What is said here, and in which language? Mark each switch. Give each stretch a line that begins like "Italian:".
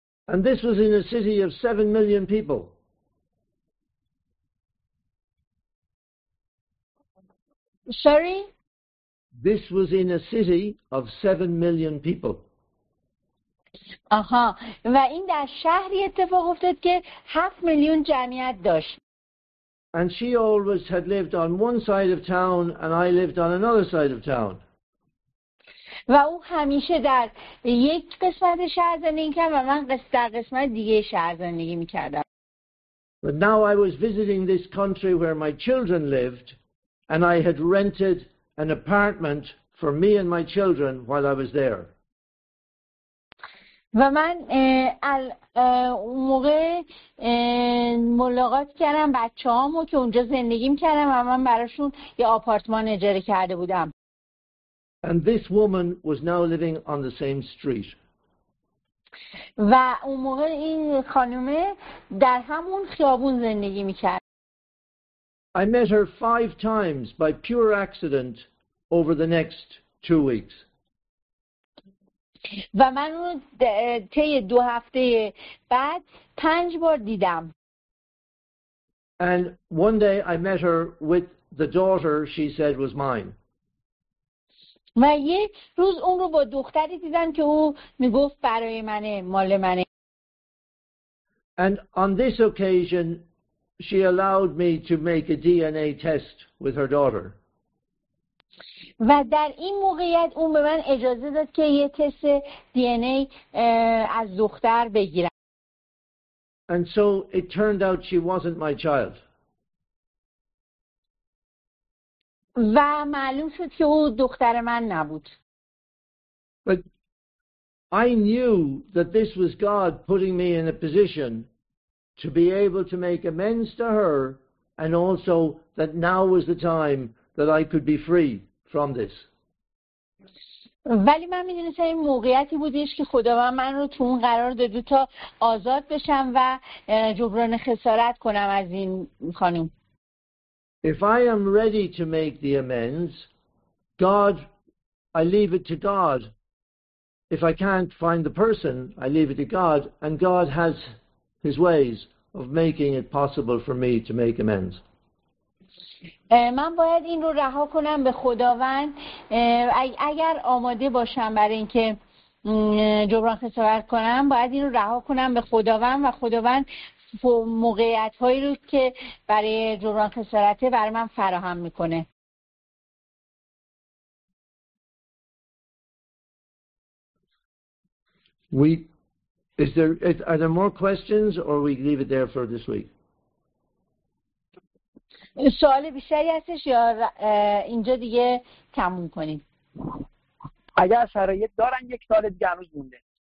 English: And this was in a city of 7 million people. Sorry? This was in a city of 7 million people.
Persian: آها. و این در شهری اتفاق افتاد که 7 میلیون جمعیت داشت.
English: And she always had lived on one side of town and I lived on another side of town.
Persian: و او همیشه در یک قسمت شهر زندگی کرد و من در قسمت دیگه شهر زندگی می‌کردم.
English: But now I was visiting this country where my children lived and I had rented an apartment for me and my children while I was there.
Persian: و من اون موقع ملاقات کردم بچه‌هامو که اونجا زندگی می‌کردم و من براشون یه آپارتمان اجاره کرده بودم.
English: And this woman was now living on the same street.
Persian: و اون موقع این خانومه در همون خیابون زندگی می‌کرد.
English: I met her 5 times by pure accident over the next 2 weeks.
Persian: و من اون طی 2 هفته بعد 5 بار دیدم.
English: And one day I met her with the daughter she said was mine.
Persian: و یه روز اون رو با دختری دیدم که او میگفت برای منه، مال منه.
English: And on this occasion, she allowed me to make a DNA test with her daughter.
Persian: و در این موقعیت اون به من اجازه داد که یه تست DNA از دختر بگیرم.
English: And so it turned out she wasn't my child.
Persian: و معلوم شد که او دختر من نبود.
English: But I knew that this was God putting me in a position to be able to make amends to her and also that now was the time that I could be free from this.
Persian: ولی من میدونستم این موقعیتی بودیش که خداوند من رو تو اون قرار داد تا آزاد بشم و جبران خسارت کنم از این خانم.
English: If I am ready to make the amends, God, I leave it to God. If I can't find the person, I leave it to God, and God has his ways of making it possible for me to make amends.
Persian: من باید این رو رها کنم به خداوند. اگر آماده باشم برای اینکه جبران خسارت کنم، باید این رو رها کنم به خداوند و خداوند موقعیت هایی رو که برای جبران خسارت برای من فراهم میکنه.
English: Are there more questions or we leave it there for this week?
Persian: سوال بیشتری هستش یا اینجا دیگه تموم کنیم؟ اگر شرایط دارن یک سال دیگه هنوز مونده.